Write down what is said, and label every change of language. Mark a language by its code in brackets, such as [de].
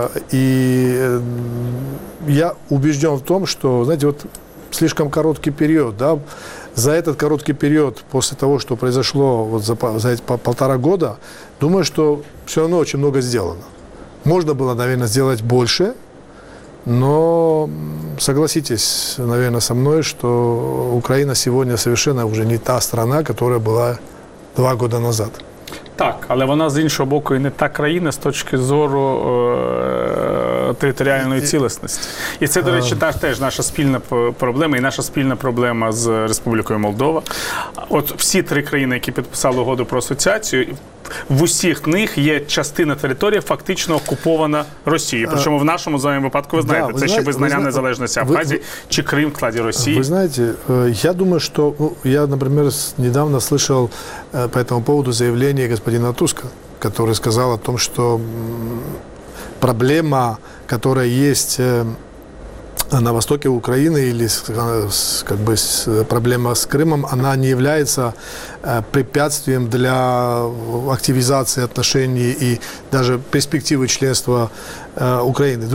[ru] И я убежден в том, что, знаете, вот слишком короткий период, да, за этот короткий период после того, что произошло вот за эти полтора года, думаю, что все равно очень много сделано. Можно было, наверное, сделать больше, но согласитесь, наверное, со мной, что Украина сегодня совершенно уже не та страна, которая была 2 года назад. [uk] Так, але вона, з іншого боку, і не та країна з точки зору територіальної цілісності. І це, до речі, теж наша спільна проблема, і наша спільна проблема з Республікою Молдова. От всі три країни, які підписали угоду про асоціацію, в усіх них є частина території фактично окупована Росією. Причому в нашому з вами випадку, ви знаєте, це ще визнання незалежності Абхазії чи Крим в складі Росії. Ви знаєте, я думаю, що, я, наприклад, [ru] недавно слышав по цьому поводу заявлення господина Туска, который сказал о том, что проблема, которая есть на востоке Украины, или как бы проблема с Крымом, она не является препятствием для активизации отношений и даже перспективы членства Украины.